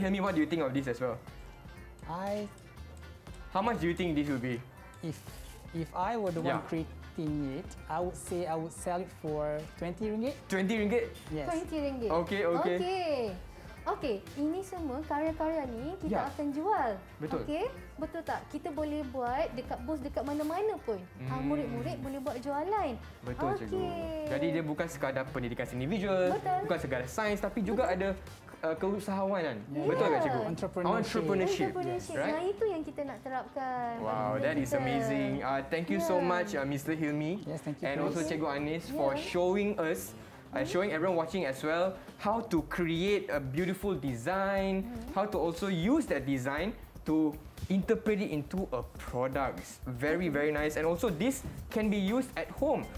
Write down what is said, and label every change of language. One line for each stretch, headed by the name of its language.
English: Hilmi, what do you think of this as well? How much do you think this will be? If I were the one creating it, I would sell it for RM20. RM20? Yes. RM20. Okay.
Malay: Okay, ini semua karya-karya ni kita akan jual. Betul. Betul tak? Kita boleh buat dekat bos dekat mana-mana pun. Murid-murid boleh buat jualan. Betul, cikgu. Jadi dia bukan sekadar pendidikan seni visual, bukan sekadar sains, tapi juga ada keusahawanan. Betul tak, cikgu?
English: Entrepreneurship. Right?
Malay: Yang itu yang kita nak terapkan.
English: Wow, that is amazing. Thank you so much, Mr. Hilmi. Yes, thank you. And also Cikgu Anis for showing us and showing everyone watching as well how to create a beautiful design, how to also use that design to interpret it into a product. Very, very nice. And also, this can be used at home.